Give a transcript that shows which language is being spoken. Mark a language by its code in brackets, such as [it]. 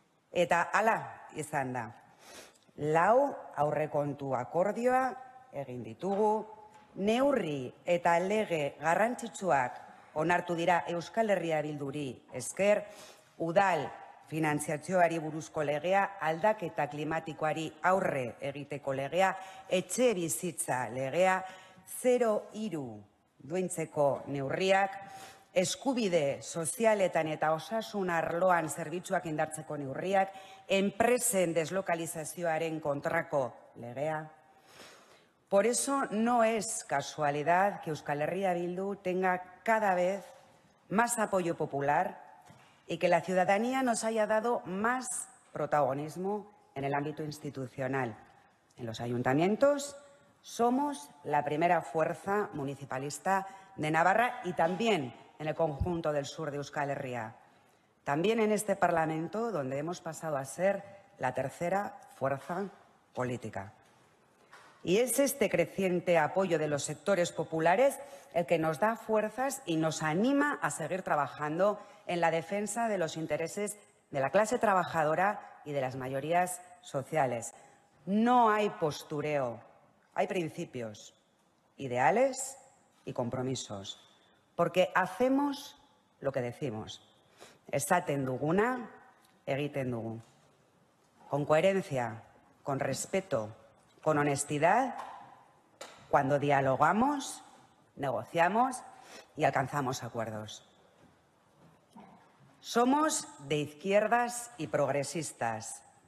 [eu] Eta hala izan da. Lau aurrekontu akordioa egin ditugu, neurri eta lege garrantzitsuak onartu dira Euskal Herria Bilduri esker, udal finantziatzioari buruzko legea, aldaketa klimatikoari aurre egiteko legea, etxe bizitza legea, 0-3 duintzeko neurriak, eskubide sozialetan eta osasun arloan zerbitzuak indartzeko neurriak, enpresen deslokalizazioaren kontrako legea. [es] Por eso no es casualidad que Euskal Herria Bildu tenga cada vez más apoyo popular y que la ciudadanía nos haya dado más protagonismo en el ámbito institucional. En los ayuntamientos somos la primera fuerza municipalista de Navarra y también en el conjunto del sur de Euskal Herria. También en este Parlamento, donde hemos pasado a ser la tercera fuerza política. Y es este creciente apoyo de los sectores populares el que nos da fuerzas y nos anima a seguir trabajando en la defensa de los intereses de la clase trabajadora y de las mayorías sociales. No hay postureo, hay principios, ideales y compromisos. Porque hacemos lo que decimos. [eu] Esaten duguna, egiten dugu. [es] Con coherencia, con respeto, con honestidad, cuando dialogamos, negociamos y alcanzamos acuerdos. Somos de izquierdas y progresistas.